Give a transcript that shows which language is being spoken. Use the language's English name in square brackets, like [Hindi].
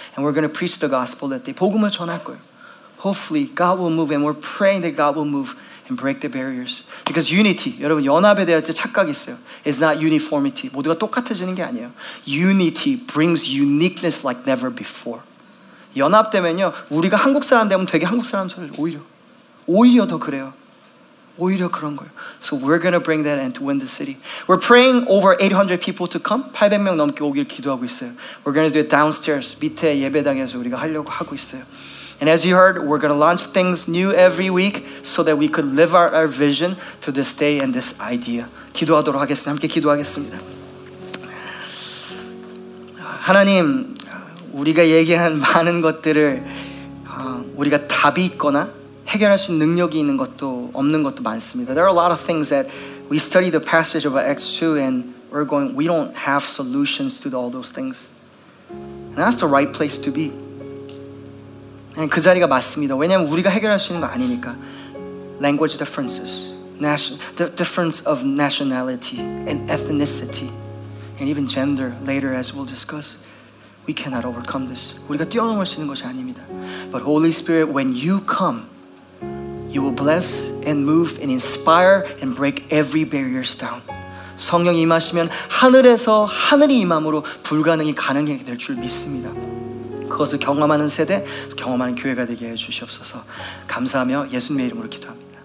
[English] And we're going to preach the gospel that day. [Korean] 복음을 전할 거예요. [English] Hopefully, God will move, and we're praying that God will move and break the barriers. Because unity, [Korean] 여러분, 연합에 대해서 착각이 있어요. [English] It's not uniformity. [Korean] 모두가 똑같아지는 게 아니에요. [English] Unity brings uniqueness like never before. [Korean] 연합 되면요, 우리가 한국 사람 되면 되게 한국 사람처럼 오히려. 오히려 더 그래요. 오히려 그런 거예요. [English] So we're going to bring that and to win the city. We're praying over 800 people to come. [Korean] 800명 넘게 오길 기도하고 있어요. [English] We're going to do it downstairs. [Korean] 밑에 예배당에서 우리가 하려고 하고 있어요. [English] And as you heard, we're going to launch things new every week so that we could live out our vision to this day and this idea. [Korean] 기도하도록 하겠습니다. 함께 기도하겠습니다. 하나님, 우리가 얘기한 많은 것들을 우리가 답이 있거나 해결할 수 있는 능력이 있는 것도 없는 것도 많습니다. [English] There are a lot of things that we study the passage of Acts 2 and we're going, we don't have solutions to all those things. And that's the right place to be. [Korean] And 그 자리가 맞습니다. 왜냐하면 우리가 해결할 수 있는 거 아니니까. [English] Language differences, the difference of nationality and ethnicity and even gender later as we'll discuss. We cannot overcome this. [Korean] 우리가 뛰어넘을 수 있는 것이 아닙니다. [English] But Holy Spirit, when you come, You will bless and move and inspire and break every barriers down. [Korean] 성령이 임하시면 하늘에서 하늘이 임함으로 불가능이 가능하게 될 줄 믿습니다. 그것을 경험하는 세대, 경험하는 교회가 되게 해주시옵소서. 감사하며 예수님의 이름으로 기도합니다.